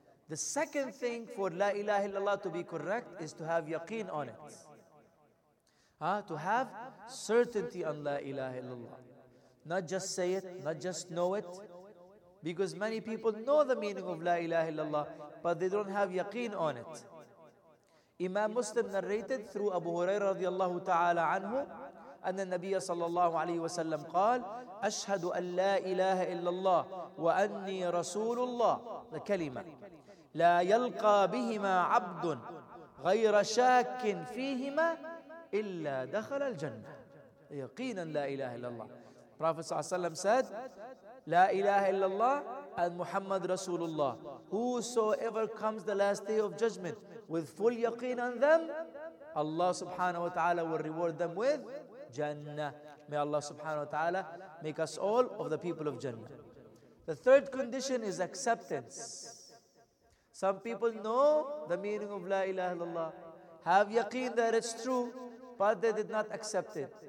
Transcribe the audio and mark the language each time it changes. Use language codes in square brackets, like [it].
[en] The second thing for La ilaha illallah to be correct is to have yaqeen on it. To have certainty on La ilaha illallah. Not just say it, not just know it. Because many people know the meaning of La ilaha illallah, but they don't have yaqeen on it. Imam Muslim narrated through Abu Hurairah radiallahu ta'ala anhu, [ar] أن النبي صلى الله عليه وسلم قال أشهد أن لا إله إلا الله وأني رسول الله كلمة لا يلقى بهما عبد غير شاك فيهما إلا دخل الجنة يقينا لا إله إلا الله. [en] Prophet [ar] صلى الله عليه وسلم [en] said [ar] لا إله إلا الله [en] and Muhammad رسول الله. Whosoever comes the last day of judgment with full yaqeen on them, Allah subhanahu wa ta'ala will reward them with Jannah. May Allah subhanahu wa ta'ala make us all of the people of Jannah. The third condition is acceptance. Some people know the meaning of La ilaha illallah, have yaqeen that it's true, but they did not accept it.